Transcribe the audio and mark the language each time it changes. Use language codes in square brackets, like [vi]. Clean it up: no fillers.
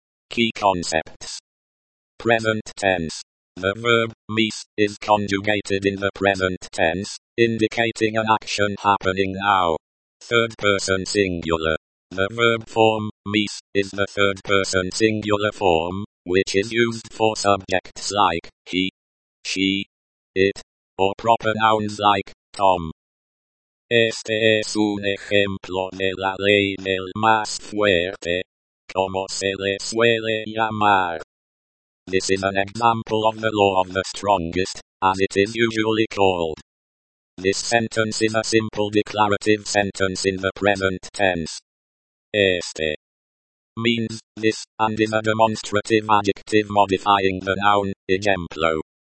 [en] Key concepts. Present tense. The verb, mece, is conjugated in the present tense, indicating an action happening now. Third person singular. The verb form, mece, is the third person singular form, which is used for subjects like, he, she, it, or proper nouns like, Tom. [es] Este es un ejemplo de la ley del más fuerte, como se le suele llamar. [en] This is an example of the law of the strongest, as it is usually called. This sentence is a simple declarative sentence in the present tense. Este means this, and is a demonstrative adjective modifying the noun, ejemplo.